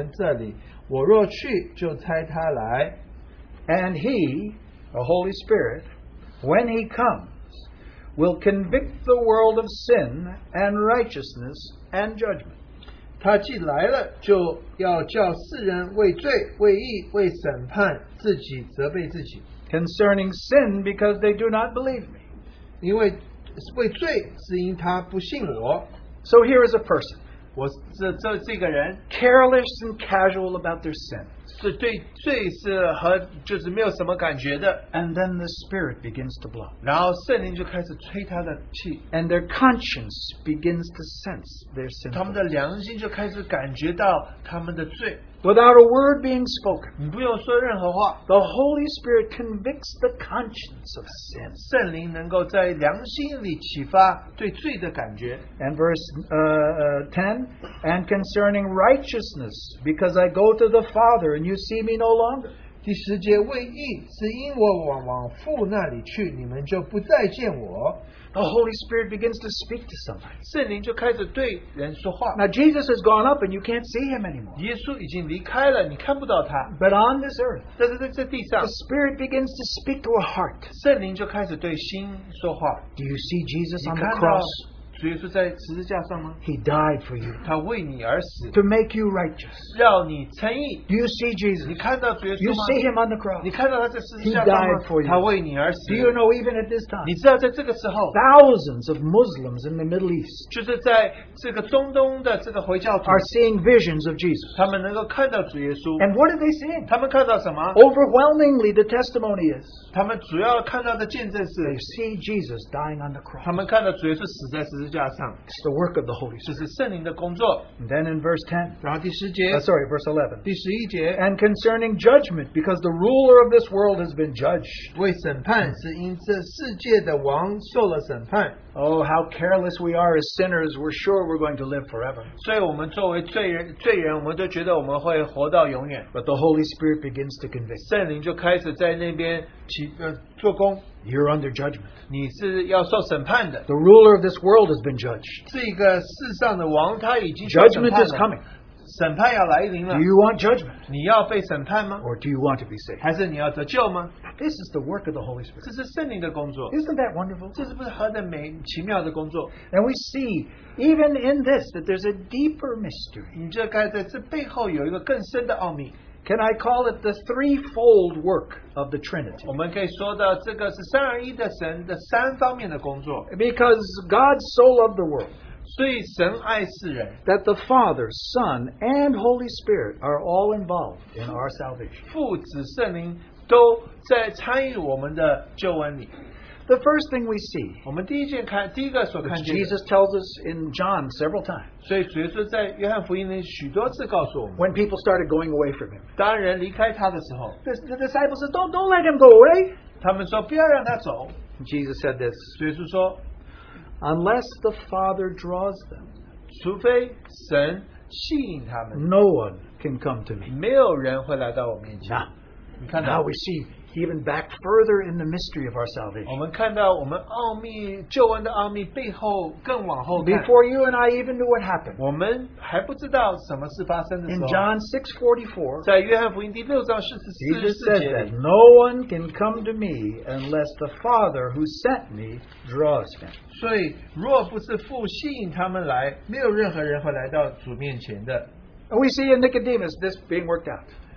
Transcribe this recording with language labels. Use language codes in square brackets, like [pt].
[zh] 然而我将真情告诉你们，我去是与你们有益的。我若不去，保惠师就不到你们这里。我若去，就差他来。 [en] And he, the Holy Spirit, when he comes, will convict the world of sin and righteousness and judgment. [zh] 他既来了，就要叫世人为罪、为义、为审判，自己责备自己。 [en] Concerning sin, because they do not believe me. [zh] 因为为罪是因他不信我。 [en] So here is a person, [zh] 我这个人, [en] careless and casual about their sin. [zh] 是对罪是和就是没有什么感觉的。 [en] And then the Spirit begins to blow. [zh] 然后圣灵就开始吹他的气。 [en] And their conscience begins to sense their sin. [zh] 他们的良心就开始感觉到他们的罪。 [en] Without a word being spoken, [zh] 你不用说任何话, [en] the Holy Spirit convicts the conscience of sin. [zh] 圣灵能够在良心里启发对罪的感觉。 [en] And verse 10, and concerning righteousness, because I go to the Father and you see me no longer. [zh] 第十节为义,是因我往父那里去,你们就不再见我。 [en] The Holy Spirit begins to speak to somebody. [zh] 圣灵就开始对人说话。 [en] Now Jesus has gone up and you can't see him anymore. [zh] 耶稣已经离开了，你看不到他。 [en] But on this earth, [zh] 但是在这地上, [en] the Spirit begins to speak to a heart. [zh] 圣灵就开始对心说话。 [en] Do you see Jesus on the cross? [zh] 主耶稣在十字架上吗? [en] He died for you. [zh] 他为你而死, [en] to make you righteous. [zh] 让你称义, [en] do you see Jesus? [zh] 你看到主耶稣吗? [en] You see him on the cross. [zh] 你看到他在十字架上吗? [en] He died for you. [zh] 他为你而死, [en] do you know even at this time? [zh] 你知道在这个时候, [en] thousands of Muslims in the Middle East [zh] 就是在这个中东的这个回教徒, [en] are seeing visions of Jesus. [zh] 他们能够看到主耶稣, [en] and what are they seeing? [zh] 他们看到什么? [en] Overwhelmingly, the testimony is [zh] 他们主要看到的见证是, [en] they see Jesus dying on the cross. [zh] 他们看到主耶稣死在十字架上, [en] it's the work of the Holy Spirit. [zh] 这是圣灵的工作, [en] and then in verse 10, [zh] 然后第十节, [en] sorry, verse 11, [zh] 第十一节, [en] and concerning judgment, because the ruler of this world has been judged. [zh] 为审判是因这世界的王受了审判。 [en] Oh, how careless we are as sinners, we're sure we're going to live forever. [zh] 所以我们作为罪人, [en] but the Holy Spirit begins to convict. [zh] 圣灵就开始在那边做工。 [en] You're under judgment. [zh] 你是要受审判的。 [en] The ruler of this world has been judged. [zh] 这个世上的王他已经受审判了。 [en] Judgment is coming. [zh] 审判要来临了。 [en] Do you want judgment? [zh] 你要被审判吗? [en] Or do you want to be saved? [zh] 还是你要得救吗? [en] This is the work of the Holy Spirit. [zh] 这是圣灵的工作。 [en] Isn't that wonderful? [zh] 这是不是何等美奇妙的工作? [en] And we see even in this that there's a deeper mystery. [zh] 你就该在这背后有一个更深的奥秘。 [en] Can I call it the threefold work of the Trinity? [zh] 我们可以说到这个是三而一的神的三方面的工作。 [en] Because God so loved the world, [zh] 所以神爱世人, [en] that the Father, Son, and Holy Spirit are all involved in our salvation. [zh] 父子圣灵都在参与我们的救恩里。 [en] The first thing we see, [zh] 我们第一件看, [en] Jesus tells us in John several times, [zh] 所以主耶稣在约翰福音里许多次告诉我们, [en] when people started going away from him, [zh] 当人离开他的时候, [en] the disciples said, don't let him go away. [zh] 他们说不要让他走。 [en] Jesus said this, [zh] 主耶稣说, [en] unless the Father draws them, [zh] 除非神吸引他们, [en] no one can come to me. [zh] 没有人会来到我面前。 [en] Now we see even back further in the mystery of our salvation. Before you and I even knew what happened. In John 6:44, Jesus said that no one can come to me unless the Father who sent me draws him. [zh] 所以若不是父吸引他们来，没有任何人会来到主面前的。 [en] We see in Nicodemus this being worked out.